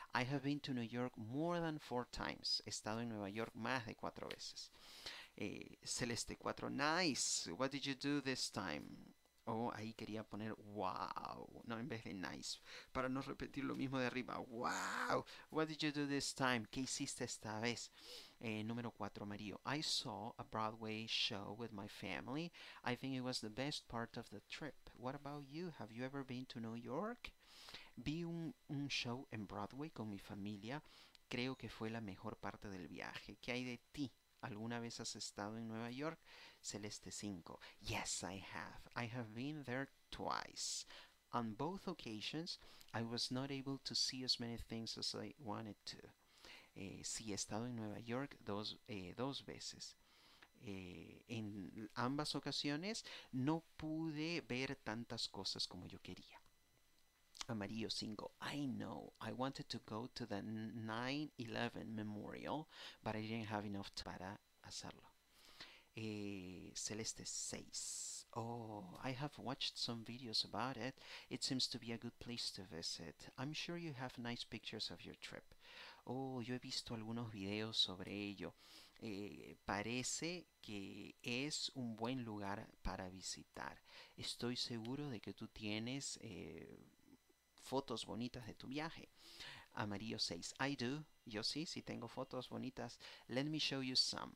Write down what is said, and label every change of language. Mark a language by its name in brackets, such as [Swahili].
[English] I have been to New York more than 4 times. [Spanish] He estado en Nueva York más de 4 veces. Celeste, 4. [English] Nice. What did you do this time? [Spanish] Oh, ahí quería poner wow, no, en vez de nice, para no repetir lo mismo de arriba. [English] Wow, what did you do this time? [Spanish] ¿Qué hiciste esta vez? Número 4, Mario. [English] I saw a Broadway show with my family. I think it was the best part of the trip. What about you? Have you ever been to New York? [Spanish] Vi un show en Broadway con mi familia. Creo que fue la mejor parte del viaje. ¿Qué hay de ti? ¿Alguna vez has estado en Nueva York? Celeste 5. [English] Yes, I have been there twice. On both occasions, I was not able to see as many things as I wanted to. [Spanish] Sí, he estado en Nueva York 2 veces. En ambas ocasiones, no pude ver tantas cosas como yo quería. [English] Amarillo 5. I know. I wanted to go to the 9/11 Memorial, but I didn't have enough time [Spanish] para hacerlo. [English] Celeste 6. Oh, I have watched some videos about it. It seems to be a good place to visit. I'm sure you have nice pictures of your trip. [Spanish] Oh, yo he visto algunos videos sobre ello. Parece que es un buen lugar para visitar. Estoy seguro de que tú tienes fotos bonitas de tu viaje. Amarillo 6. [English] I do. [Spanish] Yo sí, sí tengo fotos bonitas. [English] Let me show you some.